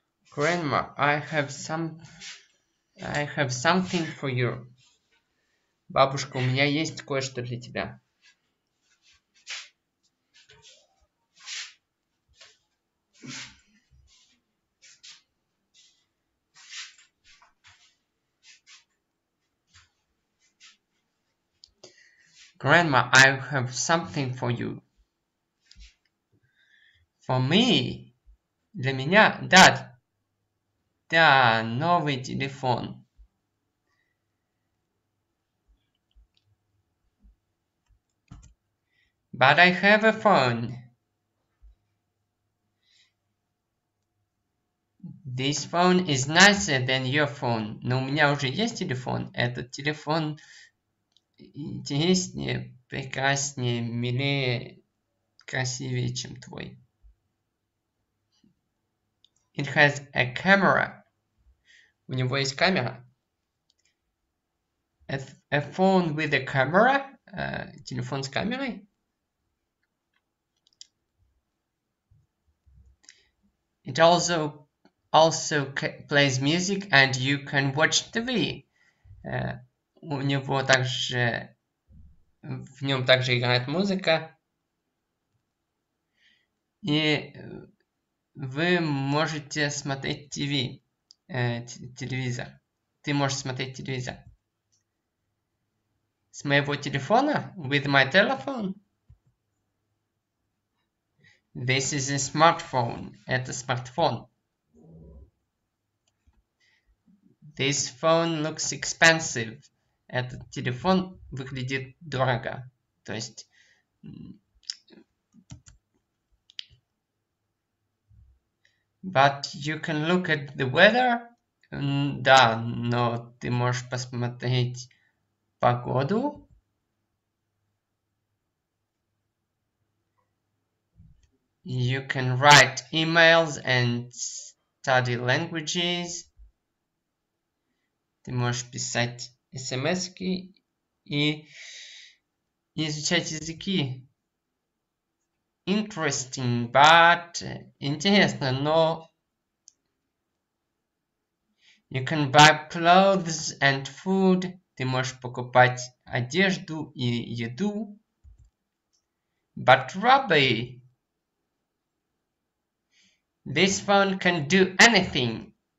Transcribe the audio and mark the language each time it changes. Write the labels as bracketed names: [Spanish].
[English] Grandma, I have something for you. [Russian] Бабушка, у меня есть кое-что для тебя. [English] Grandma, I have something for you. For me? [Russian] Для меня? Dad. Да, новый телефон. [English] But I have a phone. This phone is nicer than your phone. [Russian] Но у меня уже есть телефон. Этот телефон интереснее, прекраснее, милее, красивее, чем твой. [English] It has a camera. [Russian] У него есть камера. [English] A phone with a camera. [Russian] Телефон с камерой. [English] It also plays music and you can watch TV. [Russian] У него также... В нем также играет музыка. И вы можете смотреть TV. Телевизор. Ты можешь смотреть телевизор. С моего телефона? [English] With my telephone? This is a smartphone. [Russian] Это смартфон. [English] This phone looks expensive. [Russian] Этот телефон выглядит дорого. То есть... [English] But you can look at the weather. [Russian] Да, но ты можешь посмотреть погоду. [English] You can write emails and study languages. [Russian] Ты можешь писать смски и изучать языки. [English] Interesting, but [Russian] интересно, но [English] you can buy clothes and food. [Russian] Ты можешь покупать одежду и еду. [English] But Robbie, this phone can do anything.